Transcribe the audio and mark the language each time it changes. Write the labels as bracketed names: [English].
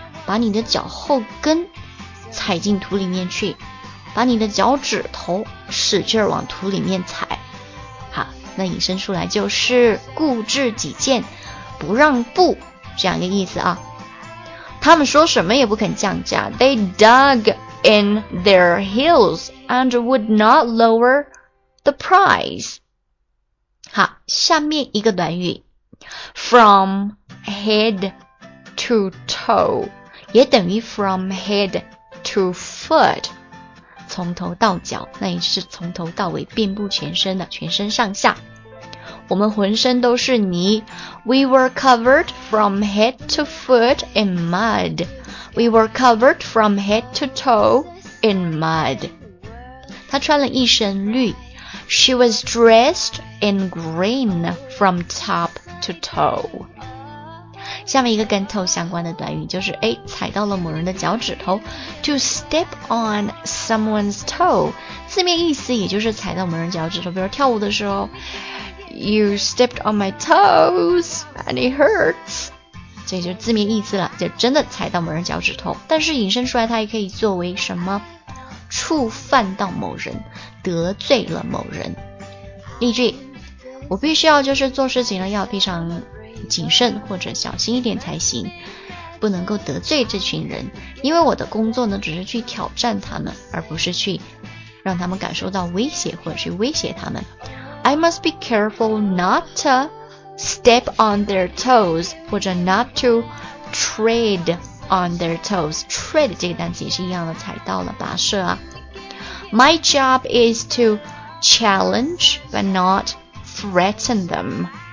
[Chinese] 把你的脚后跟踩进土里面去，把你的脚趾头使劲往土里面踩。好，那引申出来就是固执己见，不让步，这样一个意思啊。他们说什么也不肯降价。 [English] They dug in their heels and would not lower the price. [Chinese] 好，下面一个短语 from head to toe 也等于 from head to foot， 从头到脚，那也是从头到尾，遍布全身的，全身上下。我们浑身都是泥。 [English] We were covered from head to foot in mud. We were covered from head to toe in mud. [Chinese] 她穿了一身绿。 [English] She was dressed in green from top to toe. [Chinese] 下面一个跟 toe 相关的短语就是，哎，踩到了某人的脚趾头。 [English] To step on someone's toe. [Chinese] 字面意思也就是踩到某人脚趾头，比如跳舞的时候。 [English] You stepped on my toes and it hurts. [Chinese] 这就是字面意思了，就真的踩到某人脚趾头。但是引申出来，它也可以作为什么？触犯到某人，得罪了某人。例句，我必须要就是做事情呢要非常谨慎或者小心一点才行，不能够得罪这群人，因为我的工作呢只是去挑战他们，而不是去让他们感受到威胁或者去威胁他们。 [English] I must be careful not to step on their toes, [Chinese] 或者 [English] not to tread on their toes. [Chinese] Tread 这个单词也是一样的，踩到了，跋涉啊。 [English] My job is to challenge but not threaten them.